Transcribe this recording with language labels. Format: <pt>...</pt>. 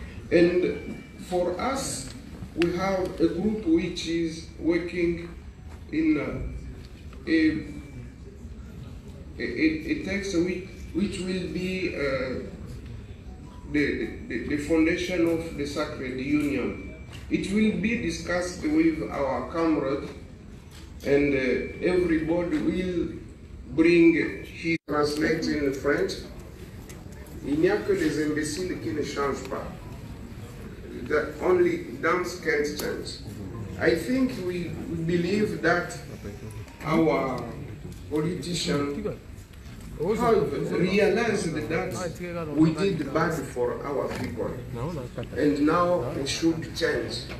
<en>And for us, we have a group which is working in a text which will be the foundation of the Sacred Union. It will be discussed with our comrades, and everybody will bring his translation in French.</en> <fr>Il n'y a que des imbéciles qui ne changent pas.</fr> <en>That only dumb can change. I think we believe that our politicians have realized that we did bad for our people, and now we should change.</en>